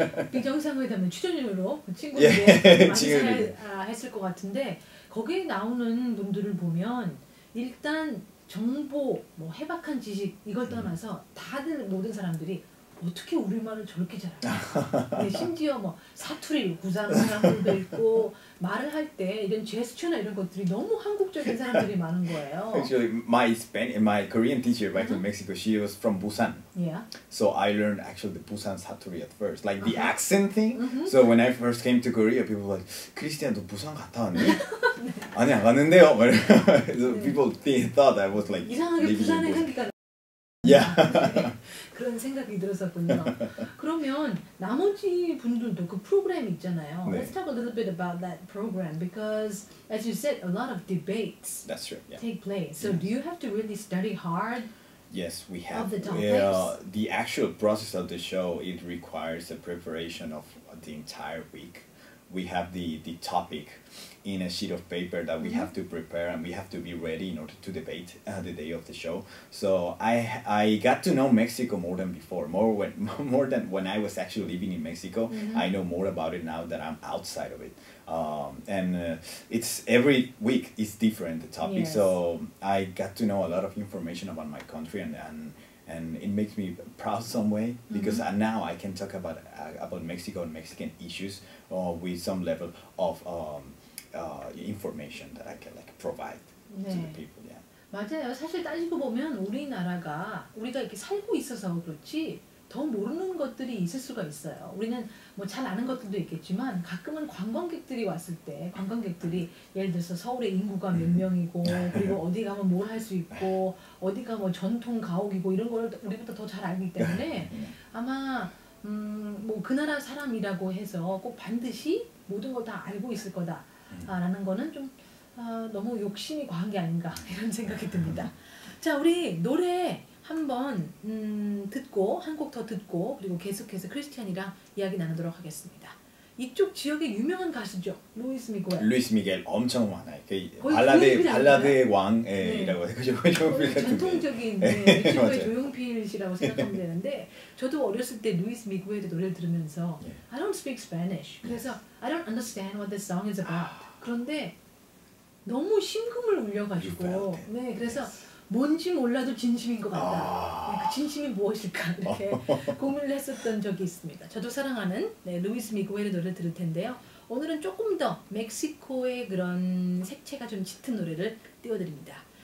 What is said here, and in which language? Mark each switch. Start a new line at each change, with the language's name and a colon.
Korean: 비정상에 담은 출연료로 친구들 많이 했을 것 같은데 거기에 나오는 분들을 보면 일단 정보 뭐 해박한 지식 이걸 떠나서 다들 모든 사람들이 어떻게 우리말을 저렇게 잘 알아? 심지어 뭐 사투리 구사하는 사람들도 있고 말을 할 때 이런 제스처나 이런 것들이 너무 한국적인 사람들이 많은 거예요.
English: Actually, my Spanish, my Korean teacher back in Mexico, she was from Busan. Yeah. So I learned actually the Busan saturi at first, like the accent thing. Mm-hmm. So when I first came to Korea, people were like, "Christian,
Korean: 너 부산 갔다 왔니?" 아니 안 갔는데요.
English: So people thought I was like
Korean: 이상하게 부산에 가니까.
English: Yeah.
Korean: 그런 생각이 들었었군요. 그러면 나머지 분들도 그 프로그램 있잖아요. 네.
English: Let's talk a little bit about that program because, as you said, a lot of debates That's true, yeah. take place. So yes. do you have to really study hard? Yes, we have. Of the topics? Yeah, the actual process of the show, it requires a preparation of the entire week. We have the topic in a sheet of paper that we mm-hmm. have to prepare and we have to be ready in order to debate the day of the show. So I got to know Mexico more than before, more than when I was actually living in Mexico. Mm-hmm. I know more about it now that I'm outside of it. It's every week is different, the topic. Yes. So I got to know a lot of information about my country and it makes me proud some way because mm-hmm. now I can talk about Mexico and Mexican issues with some level of information that I can like provide
Korean: 네.
English: to the people. Yeah.
Korean: 맞아요. 사실 따지고 보면 우리나라가 우리가 이렇게 살고 있어서 그렇지 더 모르는 것들이 있을 수가 있어요. 우리는 뭐 잘 아는 것들도 있겠지만 가끔은 관광객들이 왔을 때 관광객들이 예를 들어서 서울의 인구가 몇 명이고 그리고 어디 가면 뭘 할 수 있고 어디가 뭐 전통 가옥이고 이런 걸 우리보다 더 잘 알기 때문에 아마 뭐 그 나라 사람이라고 해서 꼭 반드시 모든 걸 다 알고 있을 거다 라는 거는 좀 너무 욕심이 과한 게 아닌가 이런 생각이 듭니다. 자 우리 노래 한번 듣고 한 곡 더 듣고 그리고 계속해서 크리스티안이랑 이야기 나누도록 하겠습니다. 이쪽 지역의 유명한 가수죠. 루이스 미겔. 루이스 미겔 엄청 많아요. 그 발라드의 왕이라고 네. 그죠? 조용필 전통적인 네. 조용필 씨라고 생각하면 되는데 저도 어렸을 때 루이스 미겔의 노래를 들으면서
English: yeah. I don't speak Spanish.
Korean: 그래서
English: I don't understand what this song is about.
Korean: 그런데 너무 심금을 울려가지고 네 그래서
English: yes.
Korean: 뭔지 몰라도 진심인 것 같다. 그 진심이 무엇일까 이렇게 고민을 했었던 적이 있습니다. 저도 사랑하는 네, 루이스 미구엘의 노래 들을 텐데요. 오늘은 조금 더 멕시코의 그런 색채가 좀 짙은 노래를 띄워드립니다.